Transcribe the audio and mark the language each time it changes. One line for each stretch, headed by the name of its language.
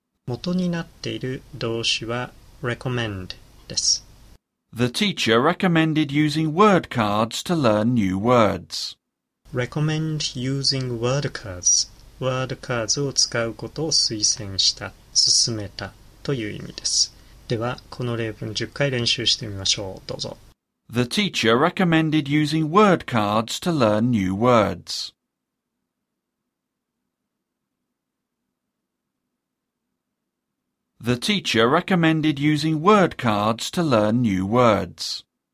Japanese: 元になっている動詞は recommend です。
English: The teacher recommended using word cards to learn new words. Recommend using word cards.
Japanese: Word cards を使うことを推薦した、勧めたという意味です。では、この例文10回練習してみましょう。どうぞ。
English: The teacher recommended using word cards to learn new words. The teacher recommended using word cards to learn new words.